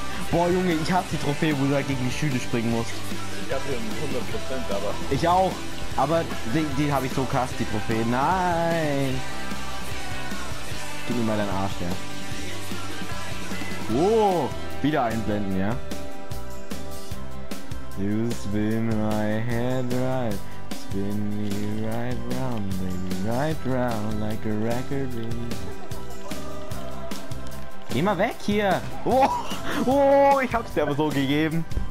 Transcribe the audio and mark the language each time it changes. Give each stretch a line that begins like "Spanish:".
German: Boah, Junge, ich hab die Trophäe, wo du halt gegen die Schüle springen musst. Ich hab hier 100%, aber... Ich auch, aber die hab ich so krass, die Trophäe. Nein. Gib mir mal deinen Arsch, ja. Oh, wieder einblenden, ja.
English: You spin my head right, spin me right round, baby, right round, like a record, baby.
German: Geh mal weg hier! Oh, oh, ich hab's dir aber so gegeben.